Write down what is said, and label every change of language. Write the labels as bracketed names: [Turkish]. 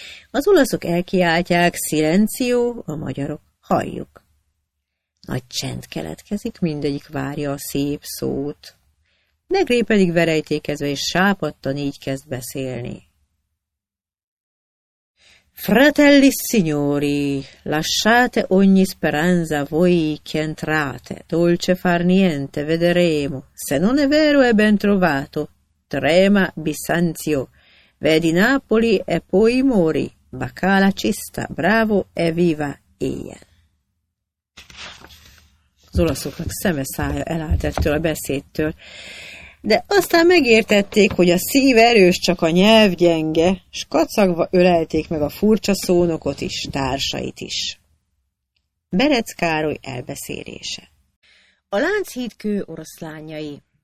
[Hungarian] Az olaszok elkiáltják, szilenció, a magyarok halljuk. Nagy csend keletkezik, mindegyik várja a szép szót. Degré pedig verejtékezve és sápadtan így kezd beszélni. [Italian] Fratelli signori, lasciate ogni speranza voi che entrate, dolce far niente, vedremo, se non è vero è ben trovato, trema Bisanzio, vedi Napoli e poi mori, bacala cista, bravo e viva ilyen. [Hungarian] Az olaszoknak szeme szája elállt ettől a beszédtől, de aztán megértették, hogy a szív erős, csak a nyelv gyenge, s kacagva ölelték meg a furcsa szónokot is, társait is. Berecz Károly elbeszélése. A Lánchíd kő oroszlányai.